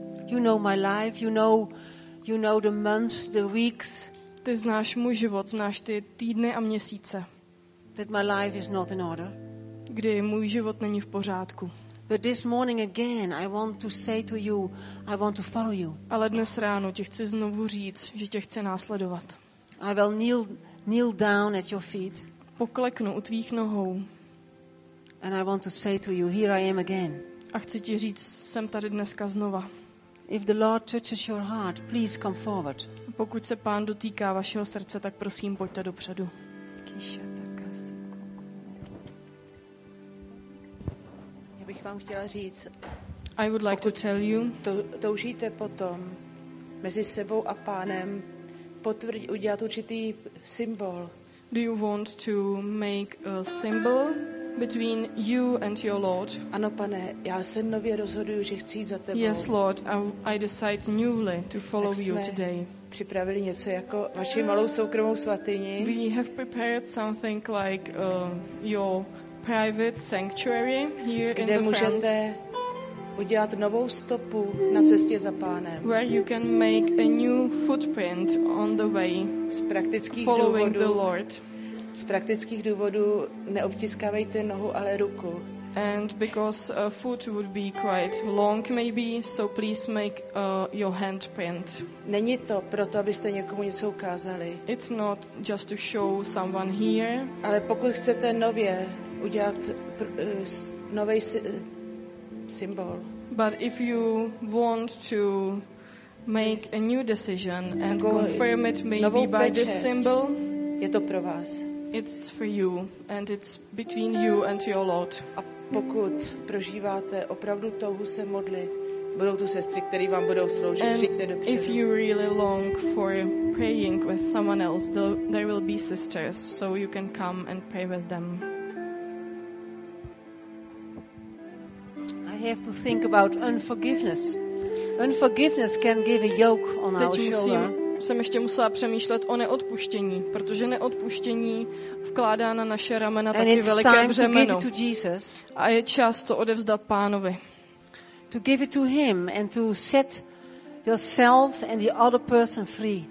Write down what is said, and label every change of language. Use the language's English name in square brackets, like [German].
[English] You know my life, you know the months, the weeks. [Czech] Ty znáš můj život, znáš ty týdny a měsíce. [English] That my life is not in order. [Czech] Kdy můj život není v pořádku. [English] But this morning again, I want to say to you, I want to follow you. [Czech] Ale dnes ráno ti chci znovu říct, že tě chci následovat. [English] I will kneel down at your feet. [Czech] Pokleknu u tvých nohou. [English] And I want to say to you, here I am again. [Czech] A chci ti říct, jsem tady dneska znova. [English] If the Lord touches your heart, please come forward. [Czech] Pokud se Pán dotýká vašeho srdce, tak prosím, pojďte dopředu. Já bych vám chtěla říct, [English] I would like to tell you, [Czech] toužíte potom mezi sebou a Pánem udělat určitý symbol. [English] Do you want to make a symbol between you and your Lord? [Czech] Ano, pane, já se nově rozhoduju, že chci za tebou. [English] Yes, Lord, I decide newly to follow you today. [Czech] Připravili něco jako vaši malou soukromou svatyni. [English] We have prepared something like your private sanctuary here in the front. [Czech] Kde můžete udělat novou stopu na cestě za Pánem. [English] Where you can make a new footprint on the way. [Czech] Z praktických [English] following [Czech] důvodů. [English] The Lord. [Czech] Z praktických důvodů neobtiskávejte nohu, ale ruku. [English] And because a foot would be quite long maybe, so please make your handprint. [Czech] Není to proto, abyste někomu něco ukázali. [English] It's not just to show someone here. [Czech] Ale pokud chcete nově udělat novej symbol. [English] But if you want to make a new decision and confirm it maybe by this symbol, [Czech] je to pro vás. [English] It's for you and it's between you and your Lord. [Czech] A pokud prožíváte opravdu touhu se modlit, budou tu sestry, které vám budou sloužit, [English] and [Czech] přijďte dopředu. [English] If you really long for praying with someone else, there will be sisters, so you can come and pray with them. I have to think about unforgiveness. Unforgiveness can give a yoke on [Czech] teď [English] our shoulder. [Czech] Jsem ještě musela přemýšlet o neodpuštění, protože neodpuštění vkládá na naše ramena taky veliké břemeno. A je čas to odevzdat Pánovi. [English] To give it to him and to set yourself and the other person free.